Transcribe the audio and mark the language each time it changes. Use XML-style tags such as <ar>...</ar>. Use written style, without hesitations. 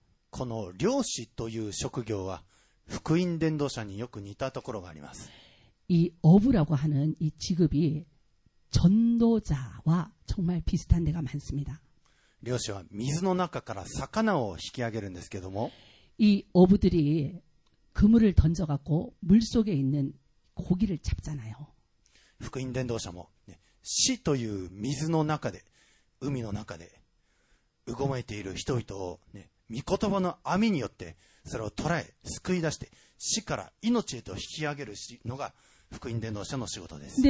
<ja>この漁師という職業は福音伝道者によく似たところがあります。</ja> <ko>이어부라고하는이직업이전도자와정말비슷한데가많습니다</ko> <ja>漁師は水の中から魚を引き上げるんですけれども</ja> <ko>이어부들이그물을던져갖고물속에있는고기를잡잖아요</ko> <ja>福音伝道者も、ね、死という水の中で海の中でうごめいている人々を、ね、御言葉の網によってそれを捉え救い出して死から命へと引き上げるのが福音伝道者の仕事です。</ja>